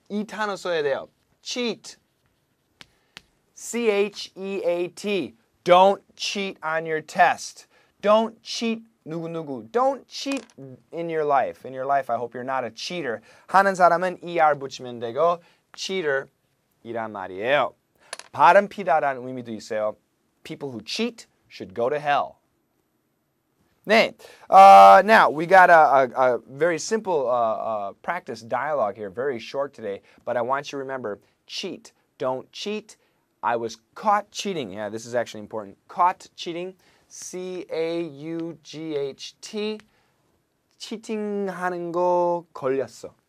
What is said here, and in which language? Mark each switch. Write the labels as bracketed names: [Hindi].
[Korean] 이 단어 써야 돼요. Cheat. C-H-E-A-T. [English] Don't cheat on your test. Don't cheat [Korean] 누구누구. [English] Don't cheat in your life. In your life, I hope you're not a cheater. [Korean] 하는 사람은 ER 붙이면 되고 cheater 이란 말이에요. 바람 피다라는 의미도 있어요. [English] People who cheat should go to hell. 네, now we got a very simple practice dialogue here, very short today, but I want you to remember, cheat, don't cheat. I was caught cheating. Yeah, this is actually important. Caught cheating, C-A-U-G-H-T, cheating [Korean] 하는 거 걸렸어.